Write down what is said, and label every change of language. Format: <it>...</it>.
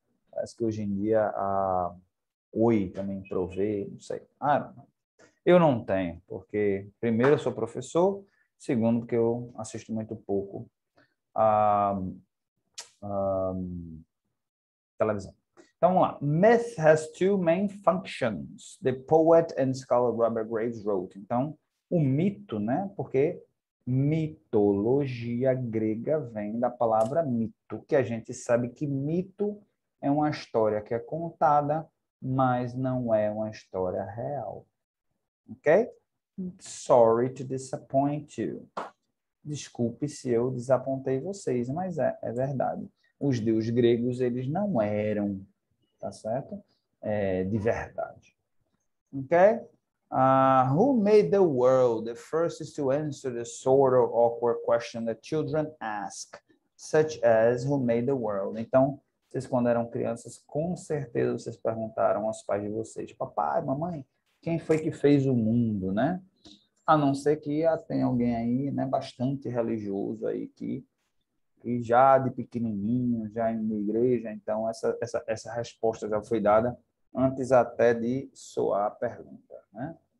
<pt>Parece que hoje em dia a Oi também provê, não sei. Ah, eu não tenho, porque primeiro eu sou professor, segundo porque eu assisto muito pouco televisão. Então, vamos lá.</pt> <en>Myth has two main functions, the poet and scholar Robert Graves wrote.</en> <pt>Então, o mito, né? Porque mitologia grega vem da palavra mito, que a gente sabe que mito é uma história que é contada, mas não é uma história real. Ok?</pt> <en>Sorry to disappoint you.</en> <pt>Desculpe se eu desapontei vocês, mas é verdade. Os deuses gregos, eles não eram, tá certo? De verdade.</pt> <en>Ok? Who made the world? The first is to answer the sort of awkward question that children ask, such as who made the world?</en> <pt>Então, vocês quando eram crianças, com certeza vocês perguntaram aos pais de vocês, papai, mamãe, quem foi que fez o mundo, né? A não ser que tenha alguém aí, né, bastante religioso aí que já de pequenininho, já em uma igreja, então essa resposta já foi dada antes até de soar a pergunta, né?</pt>